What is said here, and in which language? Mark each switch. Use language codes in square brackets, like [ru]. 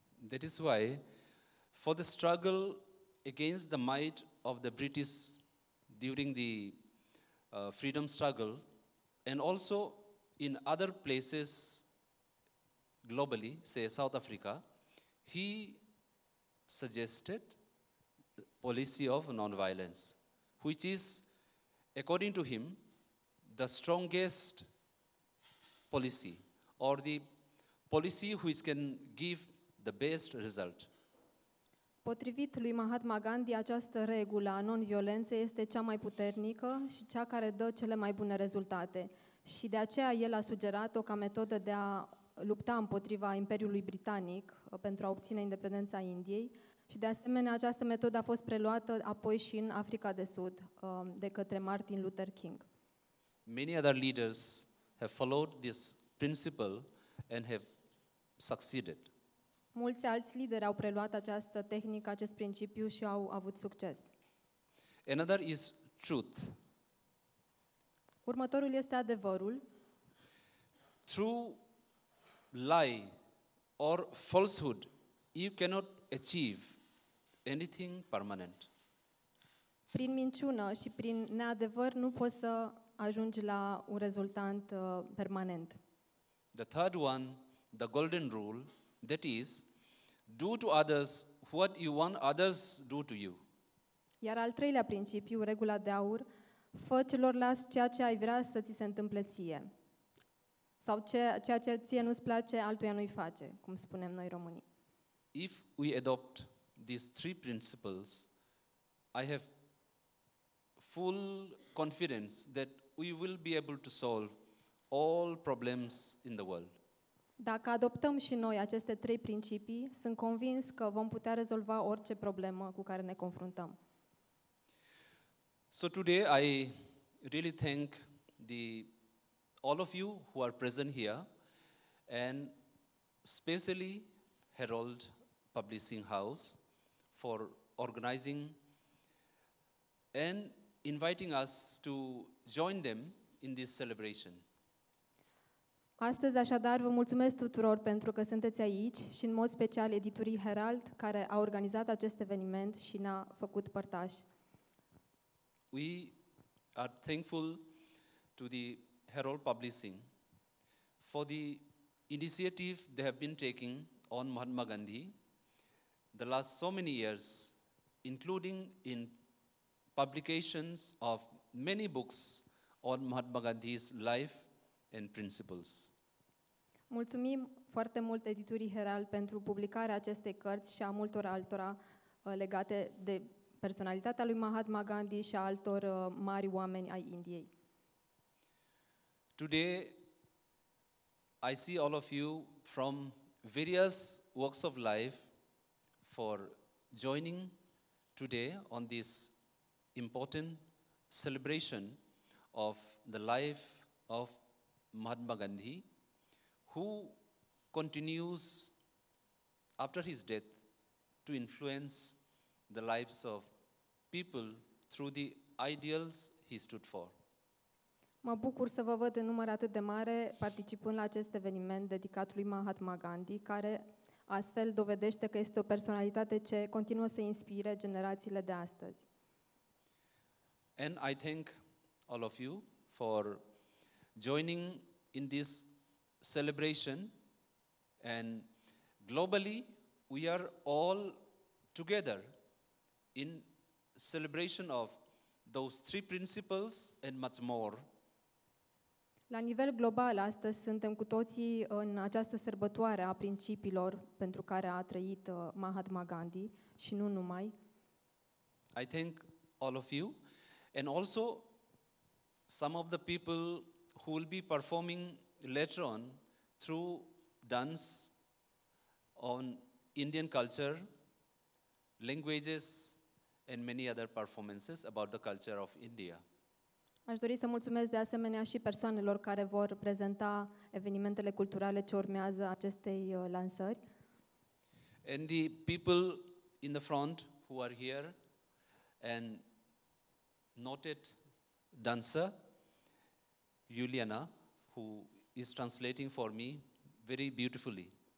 [en] That is why for the struggle against the might of the British during the freedom struggle and also in other places globally, say South Africa, he suggested policy of non-violence, which is, according to him, the strongest policy or the policy which can give the best result. [ro] Potrivit lui Mahatma Gandhi, această regulă a non-violenței este cea mai puternică și cea care dă cele mai bune rezultate. Și de aceea el a sugerat-o ca metodă de a lupta împotriva Imperiului Britanic pentru a obține independența Indiei. Și de asemenea, această metodă a fost preluată apoi și în Africa de Sud de către Martin Luther King. [en] Many other leaders have followed this principle and have succeeded. [ro] Mulți alți lideri au preluat această tehnică, acest principiu și au avut succes. [en] Another is truth. [ro] Următorul este adevărul. [en] True lie or falsehood, you cannot achieve anything permanent. [ro] Prin minciună și prin neadevăr nu poți să ajungi la un rezultat permanent. [en] The third one, the golden rule, that is, do to others what you want others do to you. [ro] Iar al treilea principiu, regula de aur, fă celorlalți ceea ce ai vrea să ți se întâmple ție. Sau ceea ce ție nu-ți place, altuia nu-i face, cum spunem noi românii. [en] If we adopt these three principles, I have full confidence that we will be able to solve all problems in the world. [ro] Dacă adoptăm și noi aceste trei principii, sunt convins că vom putea rezolva orice problemă cu care ne confruntăm. [en] So today I really thank the all of you who are present here and especially Herald Publishing House for organizing and inviting us to join them in this celebration. [ro] Astăzi, așadar, vă mulțumesc tuturor pentru că sunteți aici și în mod special editurii Herald care a organizat acest eveniment și ne-a făcut părtași. [en] We are thankful to the Herald Publishing for the initiative they have been taking on Mahatma Gandhi the last so many years, including in publications of many books on Mahatma Gandhi's life and principles. [ro] Mulțumim foarte mult editurii Herald pentru publicarea acestei cărți și a multor altora legate de personalitatea lui Mahatma Gandhi și a altor mari oameni ai Indiei. [en] Today I see all of you from various walks of life for joining today on this important celebration of the life of Mahatma Gandhi, who continues after his death to influence the lives of people through the ideals he stood for. [ro] Mă bucur să vă văd în număr atât de mare participând la acest eveniment dedicat lui Mahatma Gandhi, care astfel dovedește că este o personalitate ce continuă să inspire generațiile de astăzi. [en] And I thank all of you for joining in this celebration, and globally we are all together in celebration of those three principles and much more. [ro] La nivel global, astăzi suntem cu toții în această sărbătoare a principiilor pentru care a trăit Mahatma Gandhi și nu numai. [en] I thank all of you and also some of the people who will be performing later on through dance on Indian culture, languages and many other performances about the culture of India. [ro] Aș dori să mulțumesc de asemenea și persoanelor care vor prezenta evenimentele culturale ce urmează acestei lansări. [en] And the people in the front who are here and noted dancer, Juliana, who is translating for me very beautifully.